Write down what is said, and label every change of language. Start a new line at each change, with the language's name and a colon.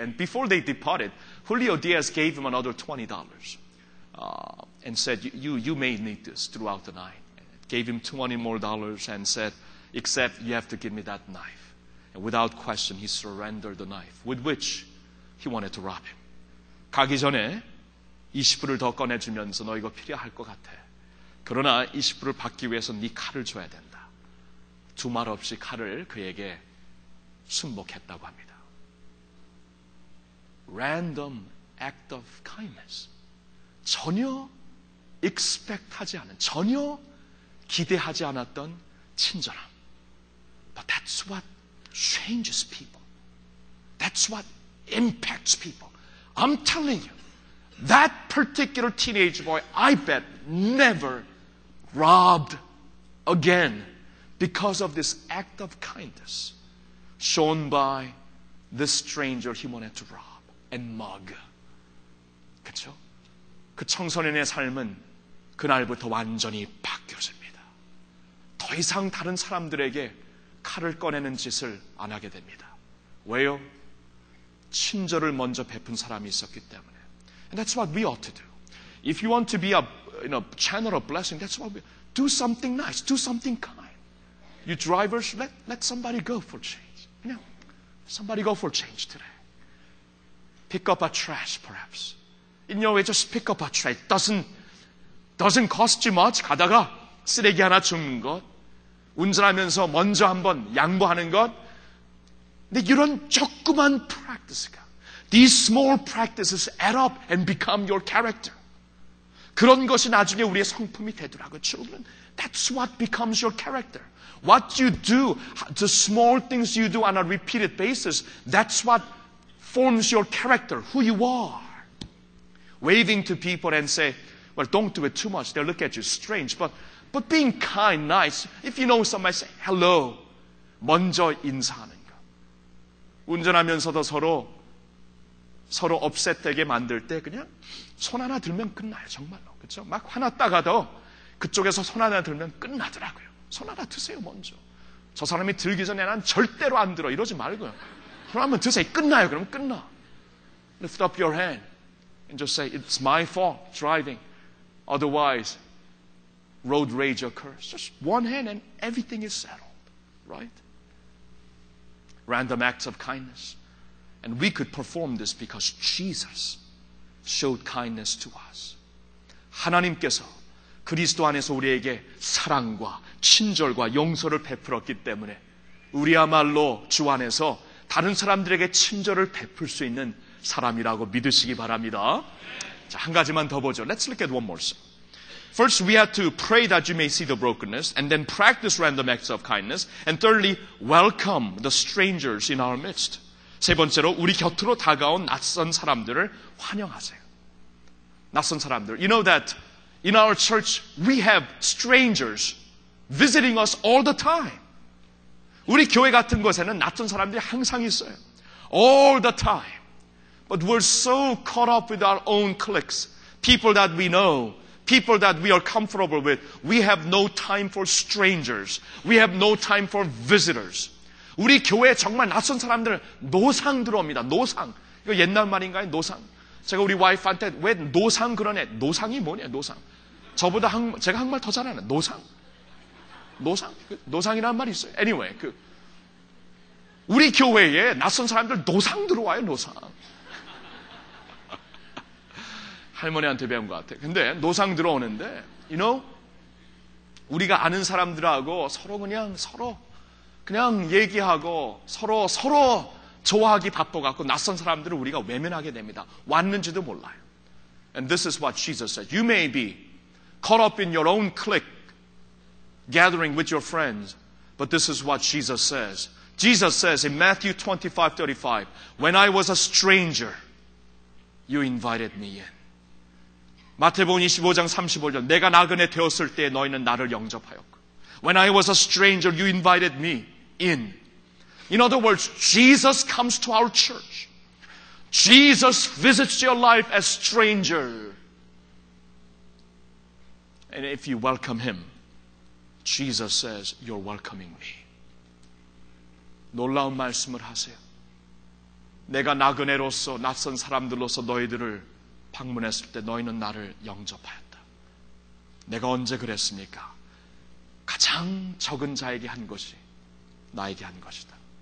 English: And before they departed, Julio Diaz gave him another $20. And said, you may need this throughout the night." Gave him $20 more and said, "Except you have to give me that knife." And without question, he surrendered the knife with which he wanted to rob him.
Korean: 가기 전에 20불을 더 꺼내주면서 너 이거 필요할 것 같아. 그러나 20불을 받기 위해서 네 칼을 줘야 된다. 두 말 없이 칼을 그에게 순복했다고 합니다.
English: Random act of kindness.
Korean: 전혀 expect하지 않은, 전혀 기대하지 않았던 친절함.
English: But that's what changes people. That's what impacts people. I'm telling you, that particular teenage boy, I bet, never robbed again because of this act of kindness shown by this stranger he wanted to rob and mug.
Korean: 그쵸? 그 청소년의 삶은 그날부터 완전히 바뀌어집니다. 더 이상 다른 사람들에게 칼을 꺼내는 짓을 안 하게 됩니다. 왜요? 친절을 먼저 베푼 사람이 있었기 때문에.
English: And that's what we ought to do. If you want to be a channel of blessing, that's what we do. Something nice, do something kind. You drivers, let somebody go for change. You know, somebody go for change today. Pick up a trash, perhaps. In your way, just pick up a trash. Doesn't cost you much.
Korean: 가다가 쓰레기 하나 주는 것. 운전하면서 먼저 한번 양보하는 것. 근데 이런 조그만 practice가,
English: these small practices add up and become your character.
Korean: 그런 것이 나중에 우리의 성품이 되더라고요.
English: Children, that's what becomes your character. What you do, the small things you do on a repeated basis, that's what forms your character, who you are. Waving to people and say, well, don't do it too much. They'll look at you strange, But being kind, nice, if you know somebody, say hello.
Korean: 먼저 인사하는 것. 운전하면서도 서로 업셋되게 만들 때 그냥 손 하나 들면 끝나요, 정말로. 그렇죠? 막 화났다가도 그쪽에서 손 하나 들면 끝나더라고요. 손 하나 드세요, 먼저. 저 사람이 들기 전에 난 절대로 안 들어. 이러지 말고요. 손 한번 드세요. 끝나요, 그럼 끝나.
English: Lift up your hand and just say, it's my fault driving. Otherwise, road rage occurs. Just one hand and everything is settled. Right? Random acts of kindness. And we could perform this because Jesus showed kindness to us.
Korean: 하나님께서 그리스도 안에서 우리에게 사랑과 친절과 용서를 베풀었기 때문에 우리야말로 주 안에서 다른 사람들에게 친절을 베풀 수 있는 사람이라고 믿으시기 바랍니다. 자, 한 가지만 더 보죠.
English: Let's look at one more song. First, we have to pray that you may see the brokenness, and then practice random acts of kindness, and thirdly, welcome the strangers in our midst.
Korean: 세 번째로, 우리 곁으로 다가온 낯선 사람들을 환영하세요. 낯선 사람들.
English: You know that in our church, we have strangers visiting us all the time.
Korean: 우리 교회 같은 곳에는 낯선 사람들이 항상 있어요.
English: All the time. But we're so caught up with our own cliques, people that we know, people that we are comfortable with, we have no time for strangers. We have no time for visitors.
Korean: 우리 교회에 정말 낯선 사람들은 노상 들어옵니다. 노상. 이거 옛날 말인가요? 노상. 제가 우리 와이프한테 왜 노상 그러네? 노상이 뭐냐? 노상. 저보다 제가 한 말 더 잘하네. 노상. 노상. 노상이라는 말이 있어요. Anyway, 우리 교회에 낯선 사람들 노상 들어와요. 노상. 할머니한테 배운 것 같아. 근데 노상 들어오는데, you know, 우리가 아는 사람들하고 서로 그냥 얘기하고 서로 좋아하기 바빠갖고 낯선 사람들을 우리가 외면하게 됩니다. 왔는지도 몰라요.
English: And this is what Jesus said. You may be caught up in your own clique gathering with your friends, but this is what Jesus says. Jesus says in Matthew 25:35, when I was a stranger, you invited me in.
Korean: 마태복음 25장 35절 내가 나그네 되었을 때 너희는 나를 영접하였고
English: When I was a stranger, you invited me in. In other words, Jesus comes to our church. Jesus visits your life as stranger. And if you welcome him, Jesus says, you're welcoming me.
Korean: 놀라운 말씀을 하세요. 내가 나그네로서 낯선 사람들로서 너희들을 방문했을 때 너희는 나를 영접하였다. 내가 언제 그랬습니까? 가장 적은 자에게 한 것이 나에게 한 것이다.